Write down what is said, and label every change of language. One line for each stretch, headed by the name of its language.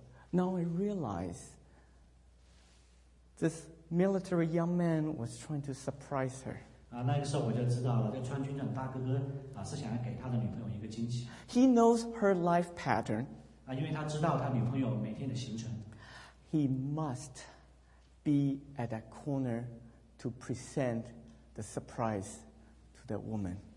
English: Now I realized this military young man was trying to surprise her.
Chinese: 那个时候我就知道了，这穿军装的大哥哥是想要给他的女朋友一个惊喜。
English: He knows her life pattern.
Chinese: 因为他知道他女朋友每天的行程。
English: He must be at that corner to present the surprise to the woman.